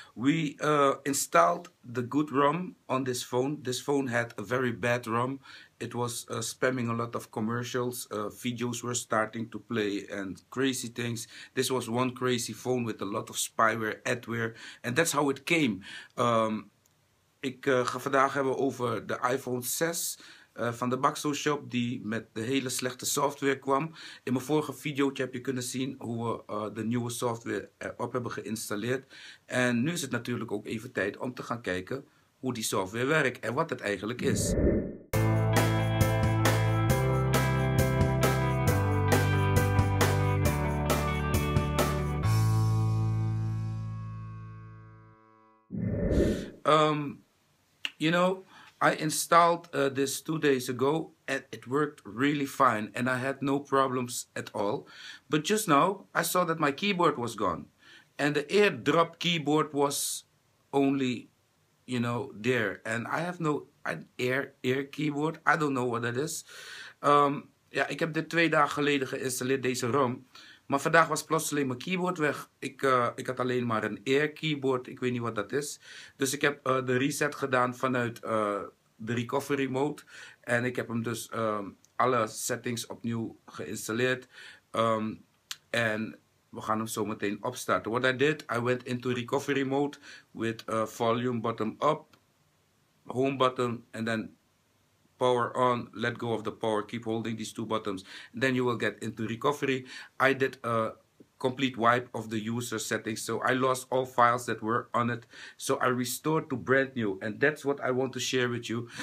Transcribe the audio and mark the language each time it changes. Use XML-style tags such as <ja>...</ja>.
<en>We installed the good ROM on this phone. This phone had a very bad ROM. It was spamming a lot of commercials, videos were starting to play and crazy things. This was one crazy phone with a lot of spyware, adware, and that's how it came.</en> <nl>Ik ga vandaag hebben over de iPhone 6. Van de BAXO-SHOP die met de hele slechte software kwam. In mijn vorige video heb je kunnen zien hoe we de nieuwe software erop hebben geïnstalleerd. En nu is het natuurlijk ook even tijd om te gaan kijken hoe die software werkt en wat het eigenlijk is.</nl> <en>You know, I installed this 2 days ago and it worked really fine and I had no problems at all. But just now I saw that my keyboard was gone and the AirDrop keyboard was only, you know, there. And I have no Air keyboard. I don't know what that is.</en> <nl>Ja, ik heb dit 2 dagen geleden geïnstalleerd, deze ROM. Maar vandaag was plotseling mijn keyboard weg. Ik had alleen maar een Air keyboard. Ik weet niet wat dat is. Dus ik heb de reset gedaan vanuit de recovery mode. En ik heb hem dus alle settings opnieuw geïnstalleerd. En we gaan hem zo meteen opstarten.</nl> <en>What I did, I went into recovery mode with volume button up, home button and then power on, let go of the power, keep holding these two buttons, then you will get into recovery. I did a complete wipe of the user settings, so I lost all files that were on it, so I restored to brand new, and that's what I want to share with you.</en>